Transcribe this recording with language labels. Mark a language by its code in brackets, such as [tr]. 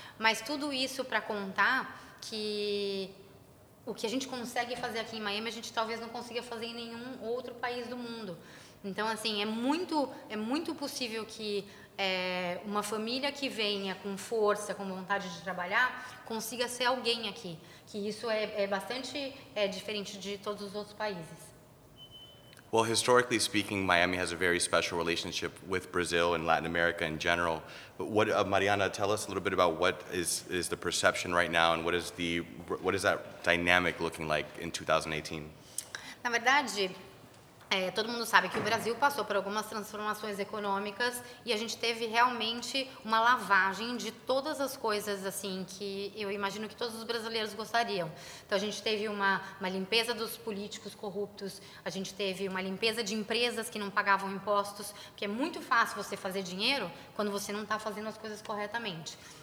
[pt] Mas tudo isso para contar que o que a gente consegue fazer aqui em Miami, a gente talvez não consiga fazer em nenhum outro país do mundo. Então, assim, é muito possível que uma família que venha com força, com vontade de trabalhar, consiga ser alguém aqui. Que isso é bastante diferente de todos os outros países. [en] Well, historically speaking, Miami has a very special relationship with Brazil and Latin America in general. But what, Mariana, tell us a little bit about what is the perception right now, and what is that dynamic looking like in 2018? [pt] Na verdade, todo mundo sabe que o Brasil passou por algumas transformações econômicas e a gente teve realmente uma lavagem de todas as coisas assim que eu imagino que todos os brasileiros gostariam. Então a gente teve uma limpeza dos políticos corruptos, a gente teve uma limpeza de empresas que não pagavam impostos, porque é muito fácil você fazer dinheiro quando você não está fazendo as coisas corretamente.